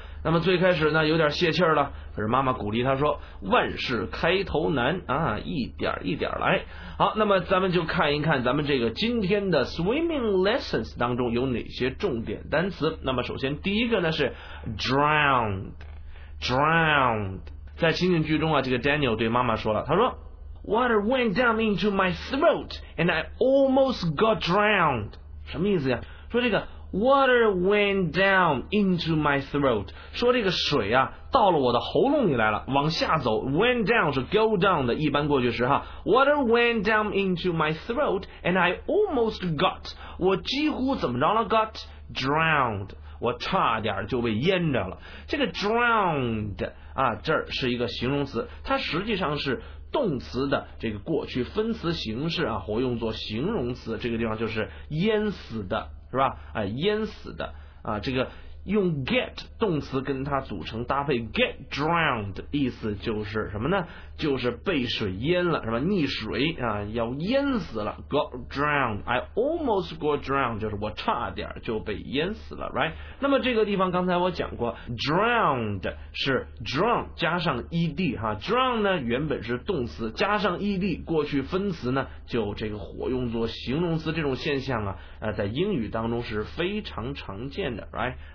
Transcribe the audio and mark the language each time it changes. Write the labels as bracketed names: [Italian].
[Chinese] 那么最开始呢有点泄气了，可是妈妈鼓励他说万事开头难啊，一点一点来。好，那么咱们就看一看咱们这个今天的 swimming lessons 当中有哪些重点单词。那么首先第一个呢是 drowned。在情景剧中啊，这个 Daniel 对妈妈说了，他说 [English] water went down into my throat and I almost got drowned。 [Chinese] 什么意思呀？说这个 [English] Water went down into my throat， [Chinese] 说这个水啊到了我的喉咙里来了，往下走。 went down 是 go down 的一般过去时哈。 [English] Water went down into my throat and I almost got， [Chinese] 我几乎怎么着了， [English] got drowned， [Chinese] 我差点就被淹着了。这个 drowned 啊，这是一个形容词，它实际上是动词的这个过去分词形式啊，活用作形容词。这个地方就是淹死的，是吧？淹死的啊，这个用 get 动词跟它组成搭配 get drowned， 意思就是什么呢？就是被水淹了，是吧？溺水啊，要淹死了。 [English] Got drowned， I almost got drowned， [Chinese] 就是我差点就被淹死了， right？那么这个地方刚才我讲过， drowned 是 drown 加上 ed 哈， drown 呢原本是动词，加上 ed 过去分词呢，就这个火用作形容词，这种现象啊，在英语当中是非常常见的， right？